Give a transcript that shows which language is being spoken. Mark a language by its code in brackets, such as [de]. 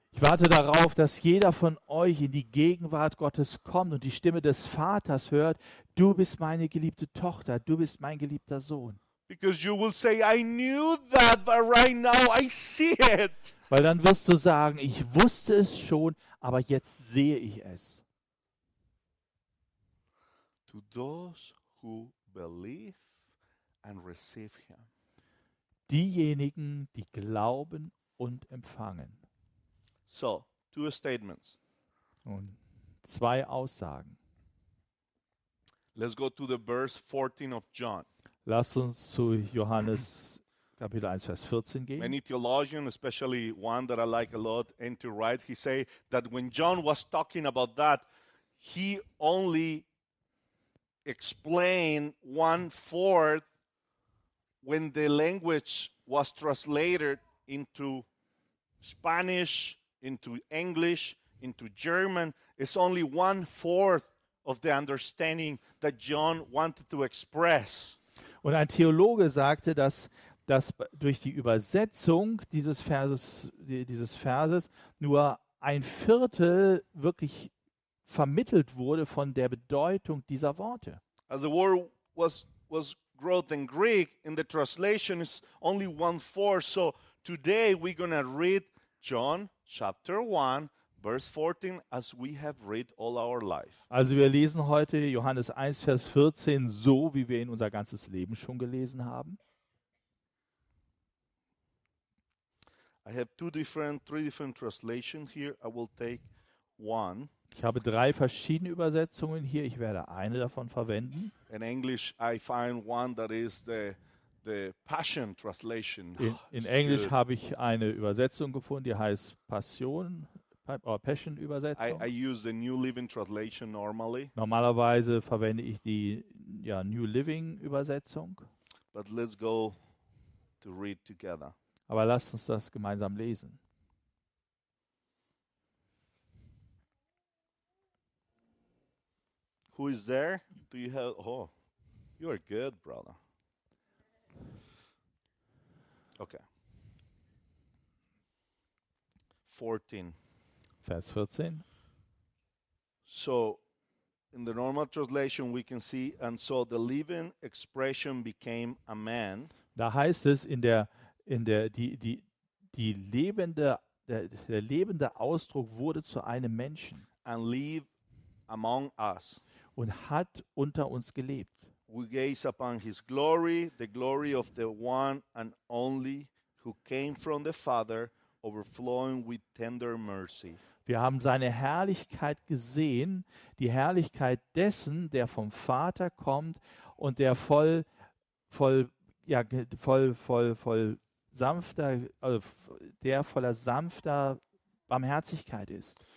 [de] Ich warte darauf, dass jeder von euch in die Gegenwart Gottes kommt und die Stimme des Vaters hört. Du bist meine geliebte Tochter, du bist mein geliebter Sohn. [en] Because you will say, I knew that, but right now I see it. [de] Weil dann wirst du sagen, ich wusste es schon, aber jetzt sehe ich es. [en] To those who believe and receive him. [de] Diejenigen, die glauben und empfangen. [en] So, two statements. [de] Und zwei Aussagen. [en] Let's go to the verse 14 of John. [de] Lasst uns zu Johannes Kapitel 1, Vers 14 gehen. [en] Many theologians, especially one that I like a lot, N.T. Wright, he say that when John was talking about that, he only explained 1/4 when the language was translated into Spanish, into English, into German. It's only 1/4 of the understanding that John wanted to express. [de] Und ein Theologe sagte, dass durch die Übersetzung dieses Verses nur ein Viertel wirklich vermittelt wurde von der Bedeutung dieser Worte. [en] As the word was growth in Greek, in the translation is only 1/4. So today we're going to read John chapter 1. Verse 14, as we have read all our life. [de] Also wir lesen heute Johannes 1, Vers 14, so wie wir ihn unser ganzes Leben schon gelesen haben. [en] I have three different translations here. I will take one. [de] Ich habe drei verschiedene Übersetzungen hier. Ich werde eine davon verwenden. [en] In English, I find one that is the Passion Translation. [de] In Englisch habe ich eine Übersetzung gefunden, die heißt Passion. Passion-Übersetzung. [en] I use the New Living Translation normally. [de] Normalerweise verwende ich die New Living-Übersetzung. [en] But let's go to read together. [de] Aber lasst uns das gemeinsam lesen. [en] Who is there? Do you have? Oh, you are good, brother. Okay. 14. [de] Vers 14. [en] So, in the normal translation we can see, and so the living expression became a man. [de] Da heißt es der lebende Ausdruck wurde zu einem Menschen. [en] And live among us. [de] Und hat unter uns gelebt. [en] We gaze upon his glory, the glory of the one and only who came from the Father, overflowing with tender mercy. [de] Wir haben seine Herrlichkeit gesehen, die Herrlichkeit dessen, der vom Vater kommt und der voller sanfter Barmherzigkeit ist.